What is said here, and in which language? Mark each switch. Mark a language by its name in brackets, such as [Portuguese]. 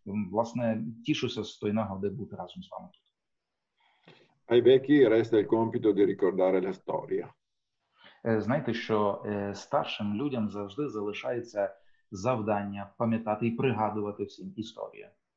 [Ukrainian] Власне, тішуся з тої нагоди бути разом з вами тут. [Italian] Ai vecchi resta il compito di ricordare la storia. [Ukrainian] Знаєте, що старшим людям завжди залишається завдання пам'ятати і пригадувати всім історію.